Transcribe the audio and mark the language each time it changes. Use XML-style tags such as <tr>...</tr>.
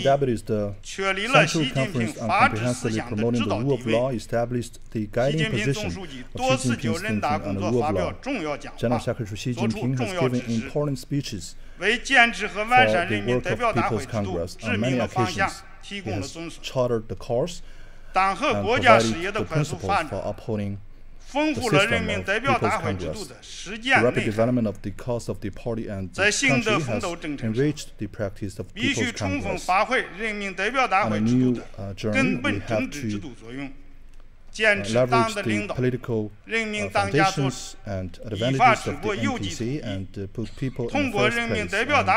<en>deputies, the Central Conference on Comprehensively Promoting the Rule of Law established the guiding position of Xi Jinping's thinking on the rule of law. General Secretary Xi Jinping has given important speeches for the work of People's Congress on many occasions. He has chartered the course and provided the principles for upholding.</en> <zh>丰富了人民代表大会制度的实践内涵。</zh> <en>The development of the cause of the party and the country has enriched the practice of People's Congress. On a new journey, we have to leverage the political foundations and advantages of the NPC and put people in first place.</en>